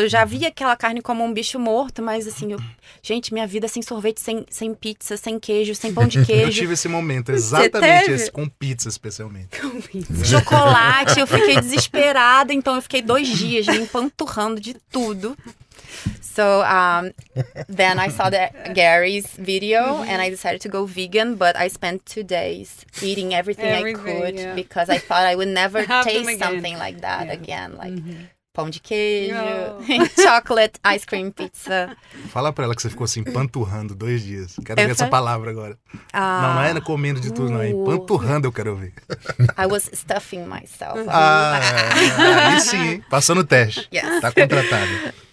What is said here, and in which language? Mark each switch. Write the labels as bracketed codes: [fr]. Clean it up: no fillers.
[pt] Eu já vi aquela carne como um bicho morto, mas assim, gente, minha vida sem sorvete, sem pizza, sem queijo, sem pão de queijo. Eu tive esse momento, exatamente esse, com pizza especialmente. Com pizza. Chocolate, eu fiquei desesperada, então eu fiquei 2 dias me empanturrando de tudo. [en] So, then I saw Gary's video and I decided to go vegan, but I spent 2 days eating everything I could because I thought I would never taste something like that again. Like, mm-hmm. [pt] pão de queijo, chocolate, ice cream, pizza. Fala pra ela que você ficou assim, panturrando 2 dias. Quero ver essa palavra agora. Não é comendo de tudo, não. Panturrando eu quero ouvir. [en] I was stuffing myself. [pt] Aí sim, passando o teste. [en] Yes. [pt] Tá contratado.